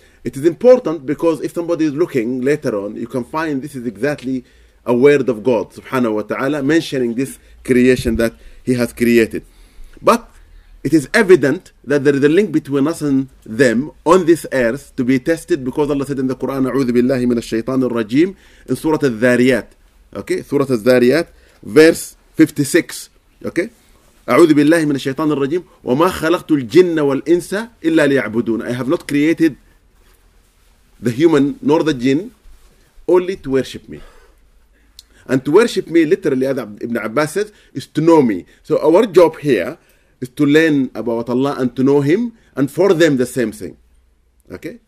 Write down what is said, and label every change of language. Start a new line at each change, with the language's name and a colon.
English: It is important because if somebody is looking later on, you can find this is exactly a word of God subhanahu wa ta'ala mentioning this creation that He has created. But it is evident that there is a link between us and them on this earth to be tested, because Allah said in the Quran,
Arabic: أعوذ بالله من الشيطان الرجيم,
English: in Surah Al-Dhariyat. Okay? Surah Al-Dhariyat, verse 56. Okay?
Arabic: أعوذ بالله من الشيطان الرجيم وما خلقت الجن والإنس إلا ليعبدون.
English: I have not created the human nor the jinn only to worship me. And to worship me, literally, as Ibn Abbas says, is to know me. So our job here is to learn about Allah and to know Him, and for them the same thing. Okay?